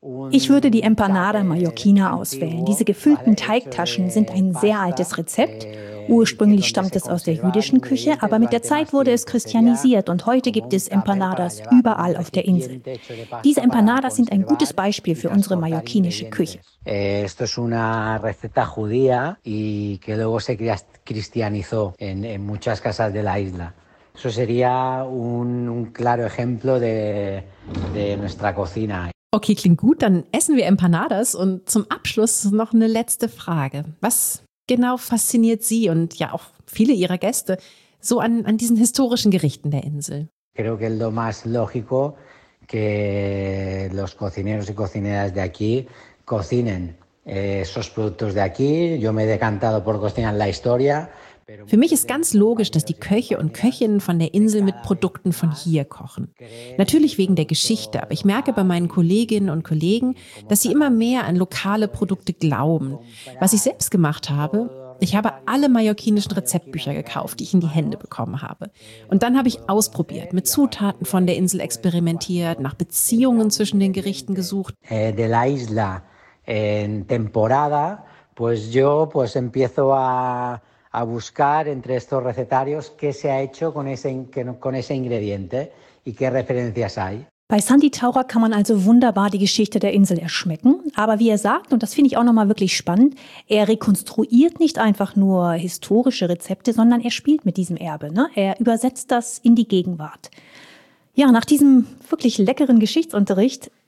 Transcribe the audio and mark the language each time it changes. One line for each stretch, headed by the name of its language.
German: Ich würde die Empanada Mallorquina auswählen. Diese gefüllten Teigtaschen sind ein sehr altes Rezept. Ursprünglich stammt es aus der jüdischen Küche, aber mit der Zeit wurde es christianisiert und heute gibt es Empanadas überall auf der Insel. Diese Empanadas sind ein gutes Beispiel für unsere mallorquinische Küche.
Spanish: Esto es una receta judía y que luego se cristianizó en muchas casas de la isla. Eso sería un claro ejemplo de nuestra cocina.
German: Okay, klingt gut, dann essen wir Empanadas und zum Abschluss noch eine letzte Frage. Was genau fasziniert Sie und ja auch viele Ihrer Gäste so an diesen historischen Gerichten der Insel?
Spanish: Creo que lo más lógico que los cocineros y cocineras de aquí cocinen esos productos de aquí. Yo me he decantado por cocinar la historia.
German: Für mich ist ganz logisch, dass die Köche und Köchinnen von der Insel mit Produkten von hier kochen. Natürlich wegen der Geschichte, aber ich merke bei meinen Kolleginnen und Kollegen, dass sie immer mehr an lokale Produkte glauben. Was ich selbst gemacht habe, ich habe alle mallorquinischen Rezeptbücher gekauft, die ich in die Hände bekommen habe. Und dann habe ich ausprobiert, mit Zutaten von der Insel experimentiert, nach Beziehungen zwischen den Gerichten gesucht.
Spanish: De la isla en temporada, pues yo pues empiezo a buscar entre estos recetarios qué se ha hecho con ese ingrediente y qué referencias hay.
German: Bei Santi Taura kann man also wunderbar die Geschichte der Insel erschmecken. Aber wie er sagt, und das finde ich auch nochmal wirklich spannend, er rekonstruiert nicht einfach nur historische Rezepte, sondern er spielt mit diesem Erbe, ne? Er übersetzt das in die Gegenwart. Ja, nach diesem wirklich leckeren Geschichtsunterricht,